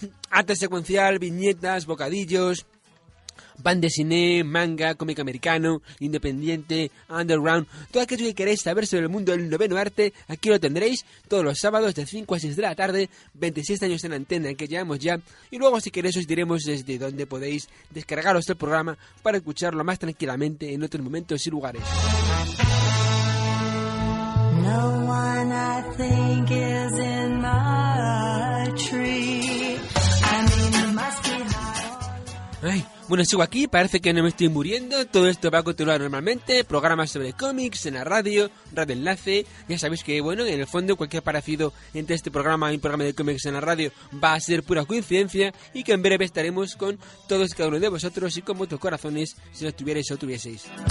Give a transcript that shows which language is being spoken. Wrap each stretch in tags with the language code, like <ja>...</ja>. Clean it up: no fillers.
<es>Arte secuencial, viñetas, bocadillos, band de cine, manga, cómic americano, independiente, underground, todo aquello que queréis saber sobre el mundo del noveno arte, aquí lo tendréis todos los sábados de 5 a 6 de la tarde, 26 años en antena que llevamos ya, y luego si queréis os diremos desde dónde podéis descargaros el programa para escucharlo más tranquilamente en otros momentos y lugares.</es> <en>No one I think is in my tree. I mean, it must be high.</en> <es>Bueno, sigo aquí, parece que no me estoy muriendo. Todo esto va a continuar normalmente. Programas sobre cómics en la radio, Radio Enlace. Ya sabéis que, bueno, en el fondo cualquier parecido entre este programa y un programa de cómics en la radio va a ser pura coincidencia, y que en breve estaremos con todos y cada uno de vosotros y con vuestros corazones, si los tuvierais o tuvieseis.</es>